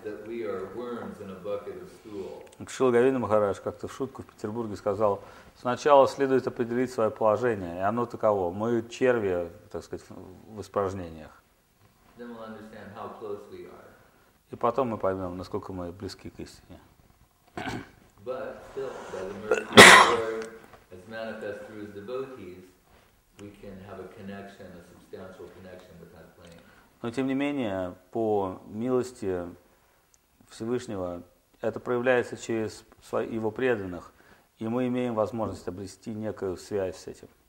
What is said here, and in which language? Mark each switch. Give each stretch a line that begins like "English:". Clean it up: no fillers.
English: that we are worms in a bucket of stool.
Russian: Шрила Говинда Махарадж как-то в шутку в Петербурге сказал: сначала следует определить свое положение, и оно таково: мы черви, так сказать, в испражнениях.
English: Then we'll understand how close we are.
Russian: И потом мы поймем, насколько мы близки к истине.
English: But still, by the mercy of the Lord, as manifest through his devotees, we can have a connection, a substantial connection with that plane.
Russian: Но тем не менее, по милости Всевышнего, это проявляется через его преданных, и мы имеем возможность обрести некую связь с этим.